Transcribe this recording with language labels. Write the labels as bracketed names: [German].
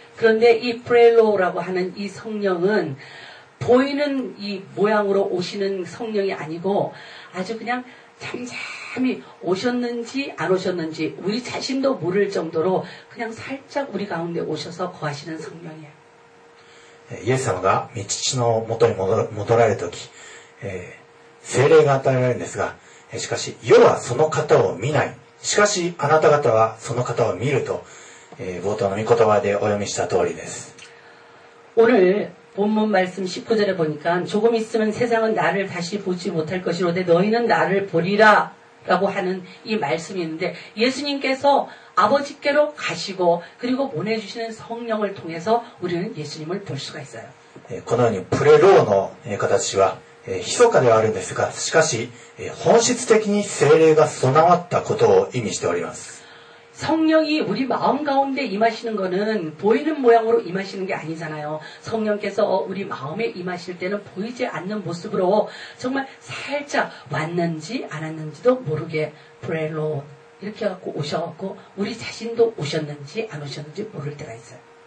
[Korean] 그런데이プレロー라고하는이성령은보이는이모양으로오시는성령이아니고아주그냥잠잠히오셨는지안오셨는지우리자신도모를정도로그냥살짝우리가운데오셔서거하시는성령이에요 [Japanese] イエス様が御父のもとに戻られるとき聖霊が与えられるんですがしかし世はその方を見ないしかしあなた方はその方を見ると冒頭の御言葉でお読みした通りです [Korean] 오늘 본문 말씀 19절에 보니까 조금 있으면 세상은 나를 다시 보지 못할 것이로되 너희는 나를 보리라 라고 하는 이 말씀이 있는데 예수님께서 아버지께로 가시고 그리고 보내주시는 성령을 통해서 우리는 예수님을 볼 수가 있어요. [Japanese] このようにプレローの形は密かではあるんですが、しかし本質的に精霊が備わったことを意味しております。 [Korean] 성령이 우리 마음 가운데 임하시는 것은 보이는 모양으로 임하시는 게 아니잖아요. 성령께서 우리 마음에 임하실 때는 보이지 않는 모습으로 정말 살짝 왔는지 안 왔는지도 모르게 브렐로 이렇게 갖고 오셔갖고 우리 자신도 오셨는지 안 오셨는지 모를 때가 있어요.